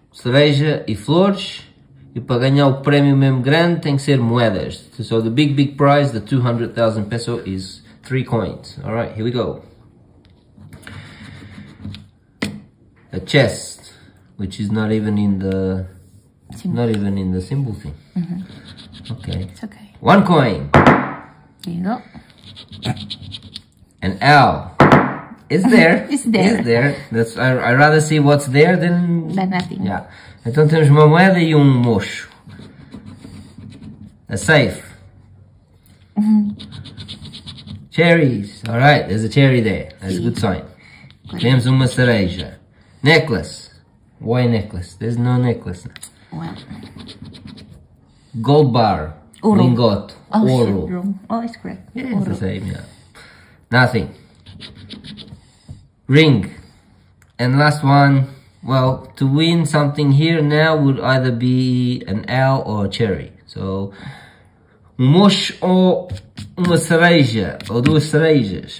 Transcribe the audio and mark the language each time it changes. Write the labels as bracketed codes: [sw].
[pt] Cereja e flores, e para ganhar o prémio mesmo grande tem que ser moedas. [en] So the big, big prize, the 200,000 peso is 3 coins. Alright, here we go. A chest, which is not even in the symbol. Not even in the symbol thing. Mm-hmm. Okay. It's okay. One coin. There you go. An owl. It's there. It's there. It's there. That's, I'd rather see what's there than... Than nothing. Yeah. [pt] Então temos uma moeda e um mocho. [en] A safe. [pt] Mm-hmm. [en] Cherries. All right. There's a cherry there. That's a good sign. Good. [pt] Temos uma cereja. [en] Necklace. Why necklace? There's no necklace. Well. Gold bar. [es] Oro. [fr] Lingot. [en] Oh, [es] oro. [en] Oh, it's correct. Yeah, it's the same, yeah. Nothing. Ring. And last one, well, to win something here now would either be an L or a cherry. [pt] So, um mosh ou uma cereja, ou duas cerejas.